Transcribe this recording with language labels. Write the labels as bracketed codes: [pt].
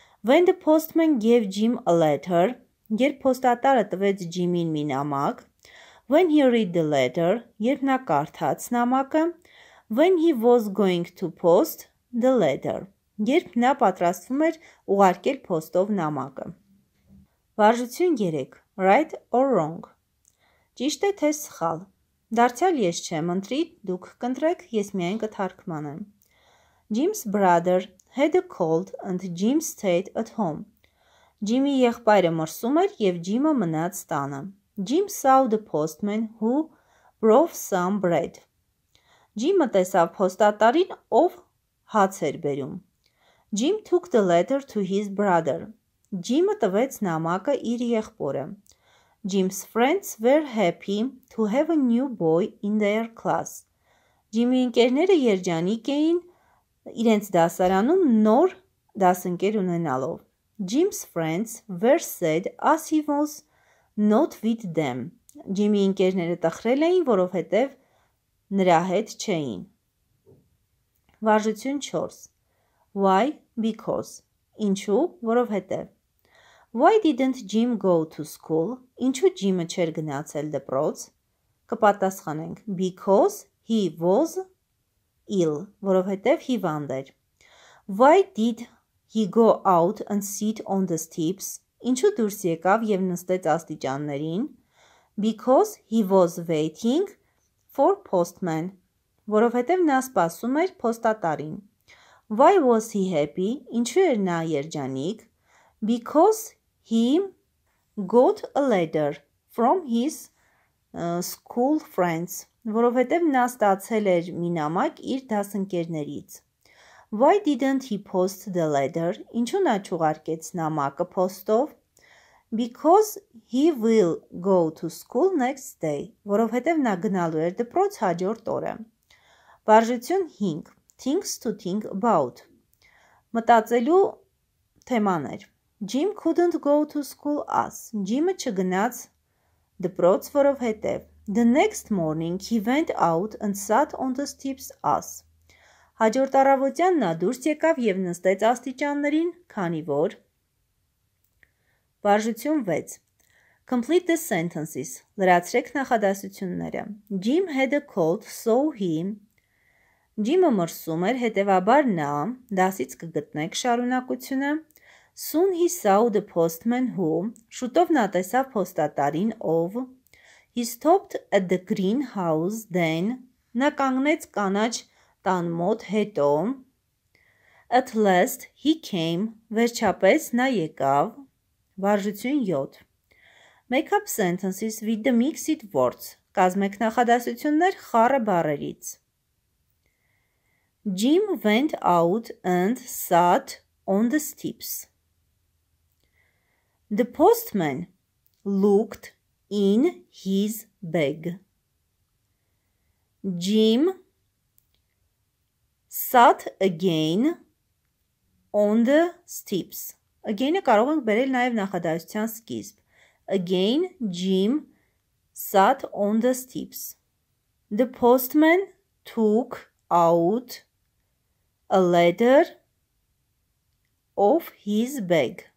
[en] when the postman gave Jim a letter, [hy] երբ փոստատարը տվեց Jim-ին մի նամակ, [en] When he read the letter, [hy] երբ նա կարդաց նամակը, [en] when he was going to post the letter, [hy] երբ նա պատրաստվում էր ուղարկել փոստով նամակը. Վարժություն 3. [en] Right or wrong. [hy] Ճիշտ է թե սխալ. Դարձյալ ես չեմ ընտրի, դուք կընտրեք, ես միայն կթարգմանեմ. [en] Jim's brother had a cold and Jim stayed at home. [hy] Jimmy եղբայրը մրսում էր եւ Jim-ը մնաց տանը. [en] Jim saw the postman who brought some bread. [hy] Jim-ը տեսավ փոստատարին, ով հաց էր բերում. [en] Jim took the letter to his brother. [hy] Jim-ը տվեց նամակը իր եղբորը. [en] Jim's friends were happy to have a new boy in their class. [hy] Jim-ի ընկերները երջանիկ էին իրենց դասարանում նոր դասընկեր ունենալով. [en] Jim's friends were sad as he was not with them. [hy] Jim-ի ընկերները տխրել էին, որովհետև նրա հետ չէին. Վարժություն 4. [en] Why? Because. [hy] Ինչու? Որովհետև. [en] Why didn't Jim go to school? [hy] Ինչու Jim-ը չէր գնացել դպրոց? Կպատասխանենք. [en] Because he was ill. [hy] Որովհետև հիվանդ էր. [en] Why did he go out and sit on the steps? [hy] Ինչու դուրս եկավ և նստեց աստիճաններին? [en] Because he was waiting for postman. [hy] Որովհետև նա սպասում էր փոստատարին. [en] Why was he happy? [hy] Ինչու էր նա երջանիկ? [en] Because he got a letter from his school friends. [hy] Որովհետև նա ստացել էր մի նամակ իր դասընկերներից. [en] Why didn't he post the letter? [hy] Ինչու նա չուղարկեց նամակը փոստով? [en] Because he will go to school next day. [hy] Որովհետև նա գնալու էր դպրոց հաջորդ օրը. Բարժություն 5. [en] Things to think about. [hy] Մտածելու թեմաներ. [en] Jim couldn't go to school as. [hy] Jim-ը չգնաց դպրոց, որովհետև. [en] The next morning he went out and sat on the steps as. [hy] Հաջորդ առավոտյան նա դուրս եկավ և նստեց աստիճաններին, քանի որ. Բարժություն 6. [en] Complete the sentences. [hy] Լրացրեք նախադասությունները. [en] Jim had a cold, so he... [hy] Jim-ը մրսում էր, հետևաբար նա, դասից կգտնեք շարունակությունը. [en] Soon he saw the postman who... [hy] Շուտով նա տեսավ փոստատարին, ով... [en] He stopped at the greenhouse, then... [hy] Նա կանգնեց կանաչ տան մոտ, հետո... [en] At last he came, [hy] վերջապես նա եկավ... Վարժություն 7. [en] Make up sentences with the mixed words. [hy] Կազմեք նախադասություններ խառը բառերից. [en] Jim went out and sat on the steps. The postman looked in his bag. Jim sat again on the steps. [hy] Again-ը կարող ենք բերել նաև նախադասության սկիզբ. [en] Again, Jim sat on the steps. The postman took out a letter of his bag.